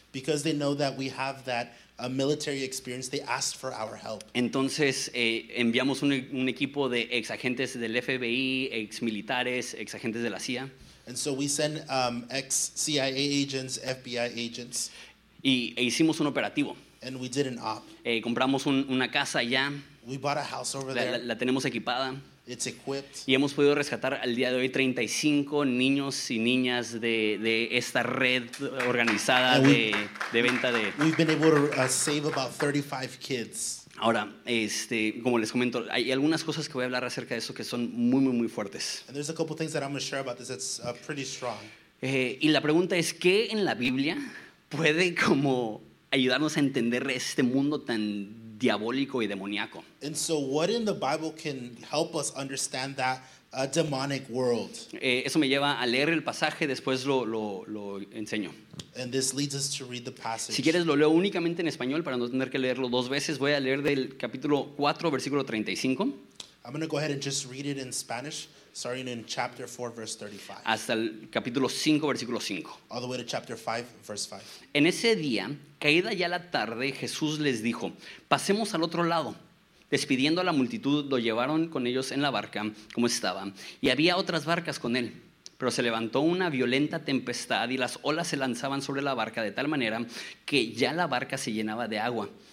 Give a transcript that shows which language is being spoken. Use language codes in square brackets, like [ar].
[en] Because they know that we have that military experience, they asked for our help. [es] Entonces enviamos un equipo de ex agentes del FBI, ex militares, ex agentes de la CIA. [en] And so we send ex-CIA agents, FBI agents. [es] E hicimos un operativo. [en] And we did an op. [es] Compramos una casa allá. [en] We bought a house over there. [es] La tenemos equipada. [en] It's equipped. [es] Y hemos podido rescatar al día de hoy 35 niños y niñas de esta red organizada de venta de. [en] We've been able to save about 35 kids. [es] Ahora, como les comento, hay algunas cosas que voy a hablar acerca de eso que son muy, muy, muy fuertes. [en] And there's a couple things that I'm going to share about this that's pretty strong. [es] Y la pregunta es, ¿qué en la Biblia puede como ayudarnos a entender este mundo tan diabólico y demoníaco? [en] And so what in the Bible can help us understand that demonic world? [es] Eso me lleva a leer el pasaje, después lo enseño. [en] And this leads us to read the passage. [es] Si quieres lo leo únicamente en español para no tener que leerlo dos veces. Voy a leer del capítulo 4, versículo 35. [en] I'm going to go ahead and just read it in Spanish, starting in chapter 4, verse 35. [es] Hasta el capítulo 5, versículo 5. [en] All the way to chapter 5, verse 5. [es] En ese día, caída ya la tarde, Jesús les dijo, pasemos al otro lado. Despidiendo a la multitud, lo llevaron con ellos en la barca, como estaba, y había otras barcas con él. Pero se levantó una violenta tempestad y las olas se lanzaban sobre la barca de tal manera que ya la barca se llenaba de agua.